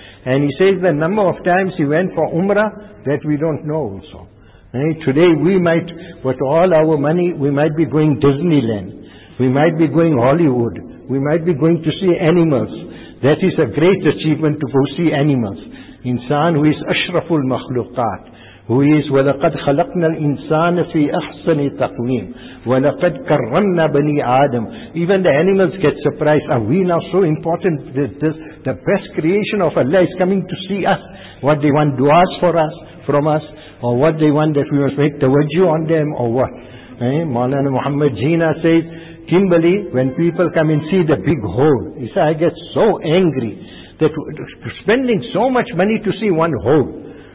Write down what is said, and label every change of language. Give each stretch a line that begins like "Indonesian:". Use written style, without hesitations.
English: And he says the number of times he went for Umrah, that we don't know also. And today we might, with all our money, we might be going Disneyland. We might be going Hollywood. We might be going to see animals. That is a great achievement to go see animals. Insan who is ashraful makhluqat. Who is
Arabic: وَلَقَدْ خَلَقْنَا الْإِنسَانَ فِي أَحْسَنِ تَقْوِيمٍ وَلَقَدْ كَرَّمْنَا بَنِي آدَمٍ.
English: Even the animals get surprised. Are we now so important that this, the best creation of Allah is coming to see us? What they want du'as for us, from us, or what they want that we must make tawajjuh on them, or what? Maulana Muhammad Jina says, Kimberly, when people come and see the big hole, he says, I get so angry that spending so much money to see one hole.